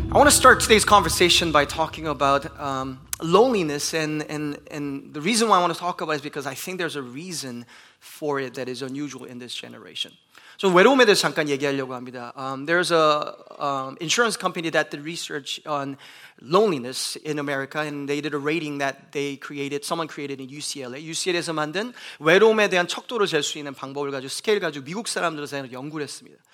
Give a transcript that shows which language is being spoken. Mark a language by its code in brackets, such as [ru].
[en] start today's conversation by talking about loneliness, and the reason why I want to talk about it is because I think there's a reason for it that is unusual in this generation. [ko] So 외로움에 대해서 잠깐 얘기하려고 합니다. [en] There's an insurance company that did research on loneliness in America, and they did a rating that they created, someone created in UCLA. [ko] UCLA에서 만든 외로움에 대한 척도를 잴 수 있는 방법을 가지고 스케일 가지고 미국 사람들을 사용해서 연구를 했습니다.